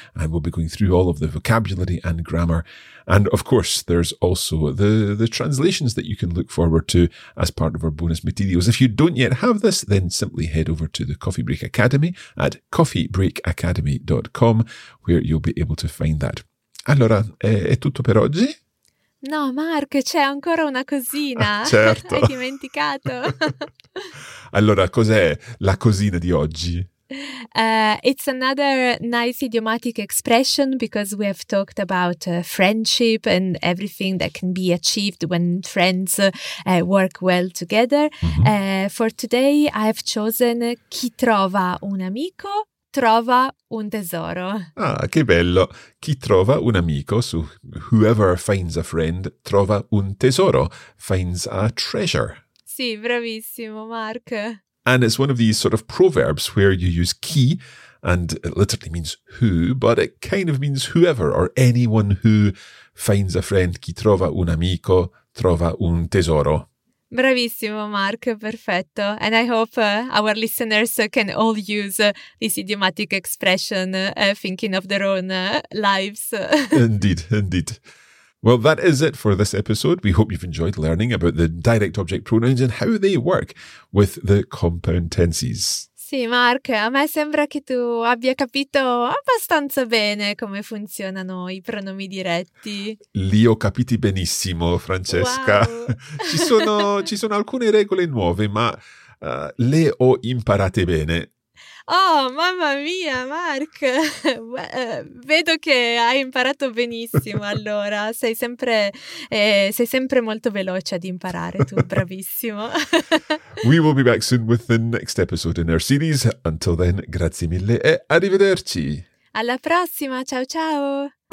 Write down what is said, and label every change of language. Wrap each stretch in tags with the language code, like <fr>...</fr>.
<en>And we'll be going through all of the vocabulary and grammar. And of course, there's also the translations that you can look forward to as part of our bonus materials. If you don't yet have this, then simply head over to the Coffee Break Academy at coffeebreakacademy.com, where you'll be able to find that.</en> <it>Allora, è tutto per oggi? No, Mark, c'è ancora una cosina. Ah, certo. Hai dimenticato. Allora, cos'è la cosina di oggi?</it> <en>It's another nice idiomatic expression, because we have talked about friendship and everything that can be achieved when friends work well together. Mm-hmm. For today, I have chosen</en> <it>chi trova un amico trova un tesoro. Ah, che bello! Chi trova un amico,</it> <en>so whoever finds a friend,</en> <it>trova un tesoro,</it> <en>finds a treasure.</en> <it>Sì, bravissimo, Mark.</it> <en>And it's one of these sort of proverbs where you use chi, and it literally means who, but it kind of means whoever or anyone who finds a friend.</en> <it>Chi trova un amico trova un tesoro. Bravissimo, Mark. Perfetto.</it> <en>And I hope our listeners can all use this idiomatic expression thinking of their own lives. Indeed. Well, that is it for this episode. We hope you've enjoyed learning about the direct object pronouns and how they work with the compound tenses.</en> <it>Sì, Mark, a me sembra che tu abbia capito abbastanza bene come funzionano i pronomi diretti. Li ho capiti benissimo, Francesca.</it> <en>Wow.</en> <it>ci sono alcune regole nuove, ma le ho imparate bene. Oh, mamma mia, Mark! Vedo che hai imparato benissimo, allora. Sei sempre molto veloce ad imparare, tu, bravissimo.</it> <en>We will be back soon with the next episode in our series. Until then,</en> <it>grazie mille e arrivederci! Alla prossima, ciao ciao!</it>